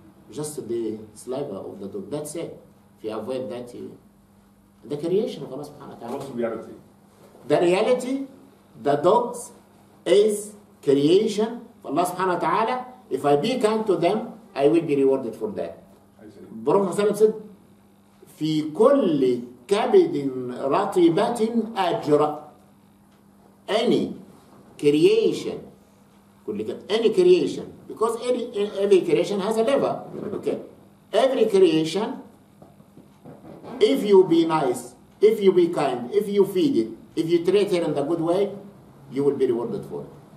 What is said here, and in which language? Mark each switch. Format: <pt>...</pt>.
<en>Just the saliva of the dog, that's it. If you avoid that, the creation of Allah subhanahu wa ta'ala. What's the reality? The reality, the dogs is creation of Allah subhanahu wa ta'ala. If I be kind to them, I will be rewarded for that. Prophet Muhammad said,</en> <ar>في كل كبد رطبة أجر.</ar> <en>Any creation, any creation, because every creation has a liver. Okay. Every creation, if you be nice, if you be kind, if you feed it, if you treat it in the good way, you will be rewarded for it.</en>